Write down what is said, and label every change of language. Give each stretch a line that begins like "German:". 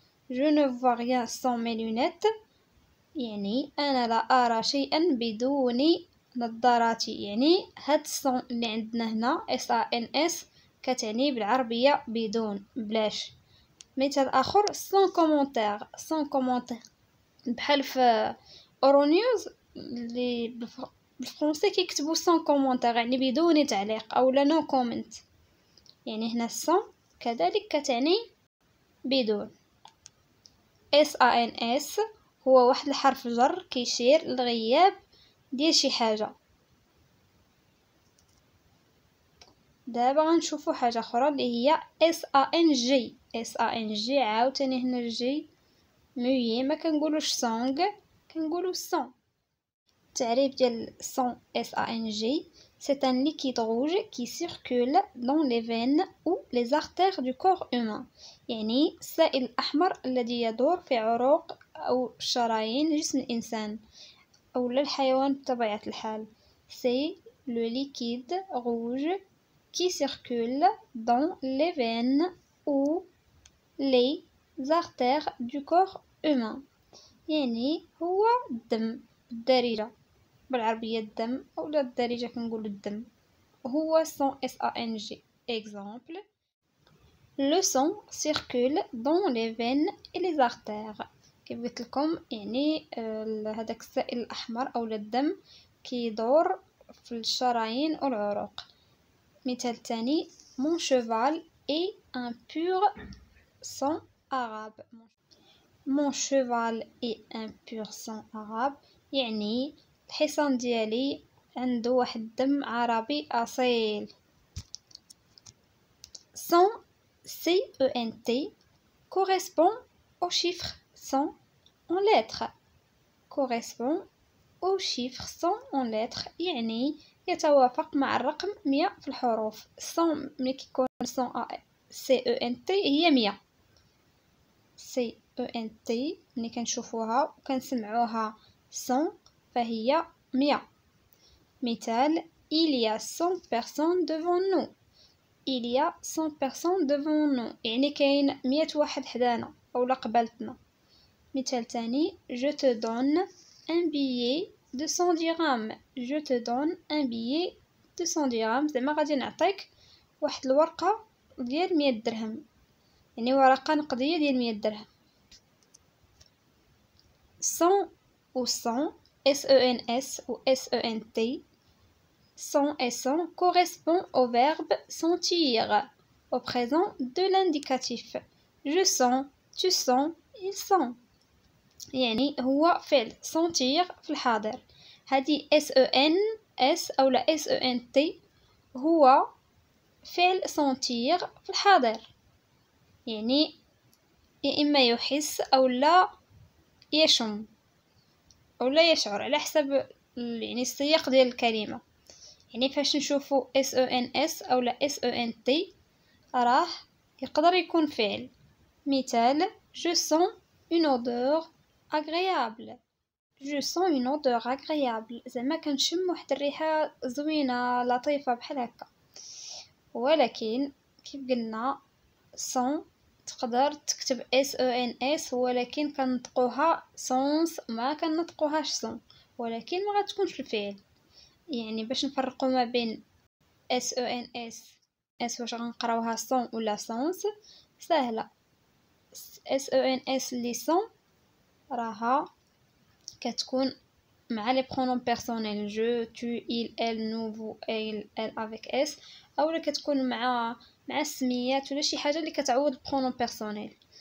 French: Je ne vois rien sans mes lunettes.
Arabic: يعني أنا لا أرى شيئا بدون نظاراتي. يعني هاد الصون اللي عندنا هنا S A N S كتعني بالعربية بدون بلاش. مثال آخر
French: sans commentaire.
Arabic: sans commentaire بحال في أورونيوز اللي بالفرنسي كيكتبوا sans commentaire، يعني بدون تعليق أو لا
English: no comment.
Arabic: يعني هنا الصون كذلك كتعني بدون. S A N S هو واحد الحرف جر كيشير للغياب ديال شي حاجة. دابا غنشوفو حاجة أخرى اللي هي S A N G. S A N G عاوتاني هنا الجي موي، ما كنقولوش سونغ كنقولو سون. التعريف ديال سون
French: S A N G c'est un liquide rouge qui circule dans les veines ou les artères du corps humain.
Arabic: يعني سائل أحمر الذي يدور في عروق أو شرايين جسم الإنسان أو للحيوان بطبيعة الحال.
French: c'est le liquide rouge qui circule dans les veines ou les artères du corps humain.
Arabic: يعني هو الدم الدريرة بالعربية، الدم أو لا الدارجة كنقول الدم. هو صون S A N G.
French: example le sang circule dans les veines et les artères.
Arabic: كيف قلت لكم يعني هذاك السائل الأحمر أو الدم كيدور في الشرايين أو العروق. مثال تاني
French: mon cheval est un pur sang arabe. mon cheval est un pur sang arabe
Arabic: يعني الحصان ديالي عنده واحد الدم عربي اصيل.
French: صون C E N T correspond au chiffre صون en lettres، correspond
Arabic: أو شيفر سون أون لتر يعني يتوافق مع الرقم 100 في الحروف. سون ملي كيكون سون أ سي أو إن تي هي 100، سي أو إن تي ملي كنشوفوها وكنسمعوها سون فهي 100.
French: مثال il y a 100 personnes devant nous، il y a 100 personnes devant nous
Arabic: يعني كاين 100 واحد حدانا أو قبلتنا. مثال تاني
French: je te donne un billet de 100 dirhams، je te donne un billet de 100 dirhams
Arabic: زعما غادي نعطيك واحد الورقة ديال 100 درهم،
French: يعني ورقة نقدية ديال 100 درهم. 100 و 100 S E N S ou S E N T، 100 et 100 correspond au verbe sentir au présent de l'indicatif. Je sens, tu sens, il sent.
Arabic: يعني هو فعل sentir في الحاضر. هذه S E N S ou la S E N T هو فعل sentir في الحاضر. يعني إما يحس أو لا يشم. أو لا يشعر على حسب يعني السياق ديال الكلمة. يعني فاش نشوفو S O N S أو لا S O N T راه يقدر يكون فعل. مثال
French: je sens une odeur agréable، je sens une odeur agréable
Arabic: زعما كنشم واحد الريحة زوينة لطيفة بحال هكا. ولكن كيف قلنا سون تقدر تكتب S O N S ولكن كنطقوها سونس ما كنطقوهاش سون، ولكن ما غتكونش الفعل. يعني باش نفرقوا ما بين S O N S اس واش غنقراوها سون ولا سونس، سهله S O N S لي سون راها كتكون مع لي برونوم بيرسونيل جو تو ايل ال نوفو ايل ال افيك اس، اولا كتكون مع السميات ولا شي حاجه اللي كتعوض البرونوم بيرسونيل.